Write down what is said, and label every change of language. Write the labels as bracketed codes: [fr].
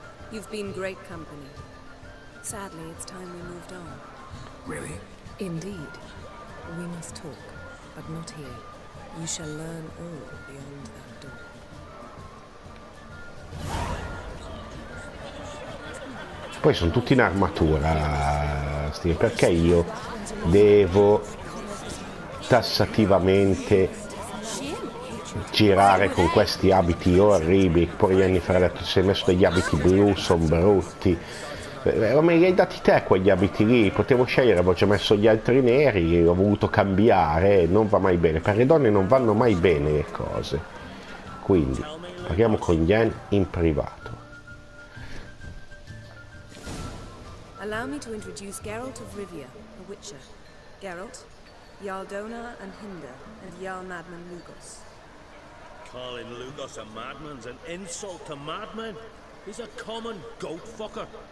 [en] You've been great company. Sadly, it's time we moved on. Really? Indeed. We must talk, but not here. You shall learn all beyond that door. [it] Poi sono tutti in armatura, Steve. Perché io devo tassativamente girare con questi abiti orribili. Poi Jennifer ha detto: si è messo degli abiti blu, sono brutti. Ma li hai dati te quegli abiti lì, potevo scegliere, avevo già messo gli altri neri, li ho voluto cambiare, non va mai bene, per le donne non vanno mai bene le cose. Quindi, parliamo con Yen in privato. [en] Allow me to introduce Geralt of Rivia, a Witcher. Geralt, Yaldona and Hinda, and Yarl Madman Lugos. Calling Lugos a madman's an insult to madmen? He's a common goat fucker.